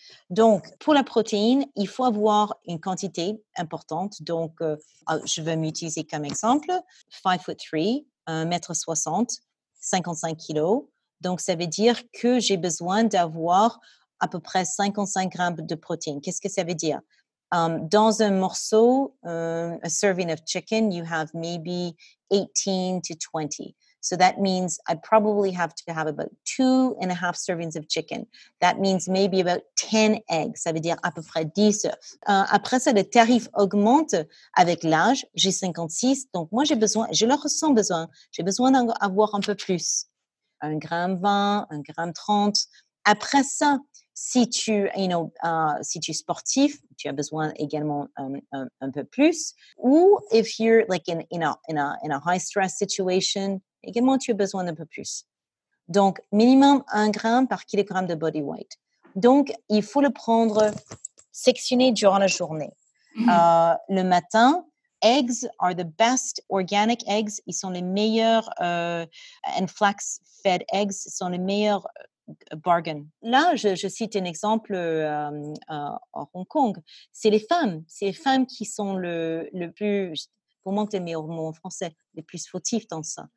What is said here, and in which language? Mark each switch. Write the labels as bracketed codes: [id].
[fr] Donc, pour la protéine, il faut avoir une quantité importante. Donc, je vais m'utiliser comme exemple, 5'3", 1m60, 55 kg. Donc, ça veut dire que j'ai besoin d'avoir à peu près 55 grammes de protéines. Qu'est-ce que ça veut dire? Dans un morceau, [en] a serving of chicken, you have maybe 18 to 20. So that means I probably have to have about 2.5 servings of chicken. That means maybe about 10 eggs. [fr] Ça veut dire à peu près 10 œufs. Après ça, le tarif augmente avec l'âge. J'ai 56. Donc moi, j'ai besoin d'en avoir un peu plus. 1g 20, 1g 30. Après ça, si tu es sportif, tu as besoin également un peu plus. Ou [en] if you're like in a high stress situation, [fr] également tu as besoin d'un peu plus. Donc minimum 1g par kilogramme de [en] body weight. [fr] Donc il faut le prendre sectionné durant la journée. Mm-hmm. Le matin, [en] eggs are the best organic eggs. [fr] Ils sont les meilleurs [en] and flax fed eggs [fr] sont les meilleurs. Bargain. Là, je cite un exemple à Hong Kong. C'est les femmes qui sont le plus, pour manquer de meilleurs mots en français, les plus fautifs dans ça.